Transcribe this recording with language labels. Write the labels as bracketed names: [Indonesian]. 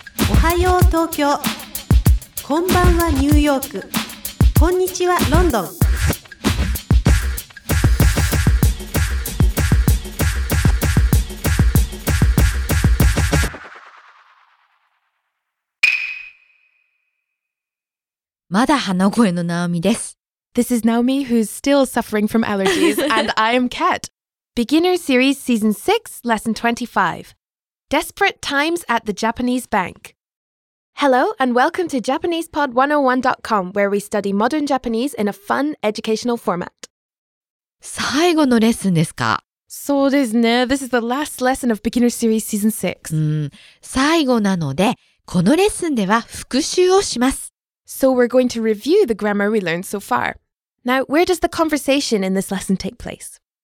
[Japanese] おはよう東京、こんばんはニューヨーク、こんにちはロンドン。まだ鼻声のナオミです。 [English] This is Naomi, who's still suffering from allergies, and I am Kat. Beginner Series Season 6, Lesson 25. Desperate Times at the Japanese Bank. Hello, and welcome to JapanesePod101.com, where we study modern Japanese in a fun, educational format. [Japanese] 最後のレッスンですか? そうですね。 [English] This is the last lesson of Beginner Series Season 6. [Japanese] 最後なので、このレッスンでは復習をします。 [English] So we're going to review the grammar we learned so far. Now, where does the conversation in this lesson take place?